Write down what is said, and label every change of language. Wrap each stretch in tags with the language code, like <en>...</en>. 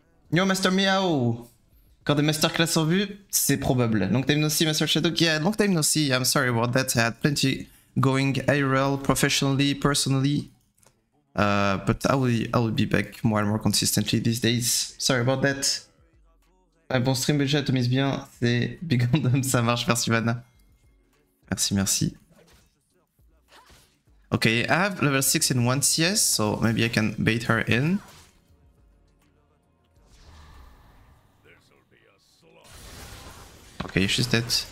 <en>Yo Master Miao! Got a masterclass</en> <fr>en vue? C'est probable.</fr> <en>Long time no see, Master Chaddouk. Yeah, long time no see. I'm sorry about that. I had plenty going IRL professionally, personally. But I will be back more and more consistently these days. Sorry about that.</en> <fr>Un bon stream, déjà, te mise bien. C'est Big Gundam, ça marche, merci Vanna. Merci, merci.</fr> <en>Okay, I have level 6 in 1 CS, so maybe I can bait her in. Okay, she's dead.</en>